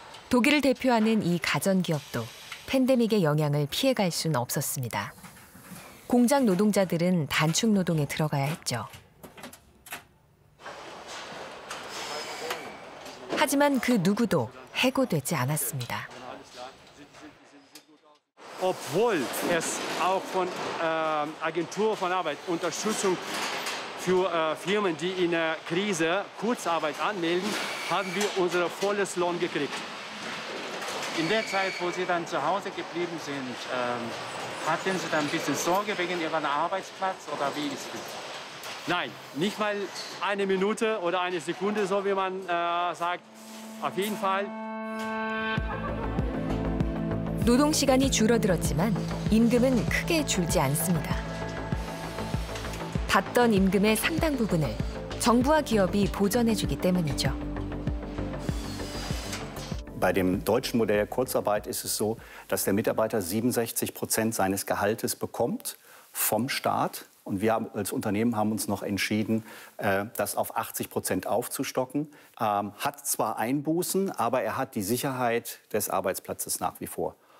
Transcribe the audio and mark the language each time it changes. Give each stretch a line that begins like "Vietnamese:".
Korean: 독일을 대표하는 이 가전기업도 팬데믹의 영향을 피해갈 순 없었습니다. 공장 노동자들은 단축 노동에 들어가야 했죠. 하지만 그 누구도 해고되지 않았습니다.
German: Obwohl es auch von Agentur von Arbeit Unterstützung für Firmen, die in der Krise Kurzarbeit anmelden, haben wir unser volles Lohn gekriegt. In der Zeit, wo sie dann zu Hause geblieben sind, hatten sie dann ein bisschen Sorge wegen ihrem Arbeitsplatz oder wie ist es? Nein, nicht mal eine Minute oder eine Sekunde, so wie man sagt. Auf jeden Fall.
Korean: 노동시간이 줄어들었지만 임금은 크게 줄지 않습니다. 받던 임금의 상당 부분을 정부와 기업이 보전해주기 때문이죠.
German: Bei dem deutschen Modell der Kurzarbeit ist es so, dass der Mitarbeiter 67% seines Gehaltes bekommt vom Staat. Und wir als Unternehmen haben uns noch entschieden, das auf 80% aufzustocken. Hat zwar Einbußen, aber er hat die Sicherheit des Arbeitsplatzes nach wie vor.